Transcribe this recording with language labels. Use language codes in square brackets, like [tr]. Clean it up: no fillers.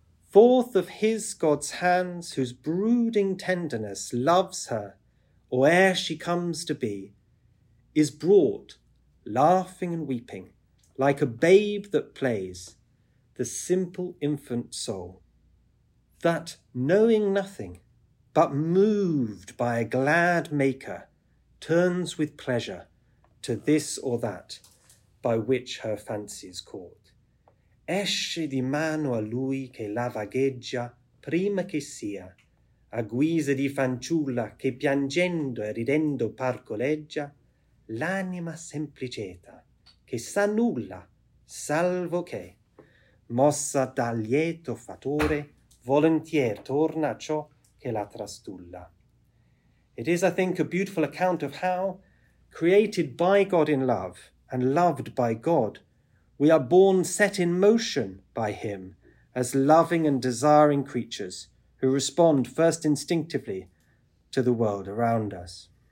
[en] Forth of his God's hands, whose brooding tenderness loves her, or ere she comes to be, is brought, laughing and weeping, like a babe that plays, the simple infant soul, that, knowing nothing, but moved by a glad maker, turns with pleasure to this or that by which her fancy is caught. [it] Esce di mano a lui che la vagheggia prima che sia, a guisa di fanciulla che piangendo e ridendo parcoleggia, l'anima sempliceta che sa nulla, salvo che, mossa dal lieto fattore, volentier torna a ciò che la trastulla. [en] It is, I think, a beautiful account of how, created by God in love and loved by God, we are born set in motion by him as loving and desiring creatures who respond first instinctively to the world around us.